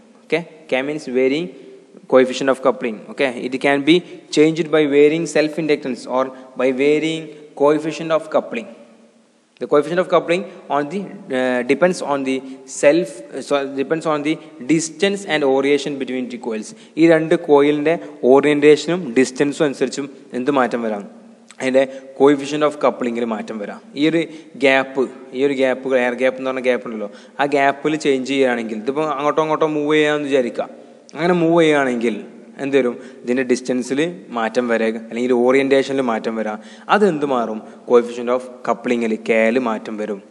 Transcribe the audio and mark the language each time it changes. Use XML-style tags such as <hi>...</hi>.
<en>Okay, K means varying coefficient of coupling. Okay, it can be changed by varying self inductance or by varying coefficient of coupling. The coefficient of coupling on the depends on the self depends on the distance and orientation between two coils.</en> <ml>ഈ രണ്ട് കോയിലിൻ്റെ ഓറിയൻറ്റേഷനും ഡിസ്റ്റൻസും അനുസരിച്ചും എന്ത് മാറ്റം വരാം, അതിൻ്റെ coefficient of കപ്ലിംഗിൽ മാറ്റം വരാം. ഈ ഒരു ഗ്യാപ്പ്, ഈ ഒരു ഗ്യാപ്പ് എയർ ഗ്യാപ്പ് എന്ന് പറഞ്ഞ ഗ്യാപ്പ് ഉണ്ടല്ലോ, ആ ഗ്യാപ്പിൽ ചേഞ്ച് ചെയ്യുകയാണെങ്കിൽ, ഇതിപ്പോൾ അങ്ങോട്ടോ അങ്ങോട്ടോ മൂവ് ചെയ്യാമെന്ന് വിചാരിക്കുക, അങ്ങനെ മൂവ് ചെയ്യുകയാണെങ്കിൽ എന്ത് വരും, ഇതിൻ്റെ ഡിസ്റ്റൻസിൽ മാറ്റം വരാം, അല്ലെങ്കിൽ ഓറിയൻറ്റേഷനിൽ മാറ്റം വരാം, അതെന്ത് മാറും കോയിഫിഷ്യൻ്റ് ഓഫ് കപ്ലിംഗിൽ കേല് മാറ്റം വരും.</ml>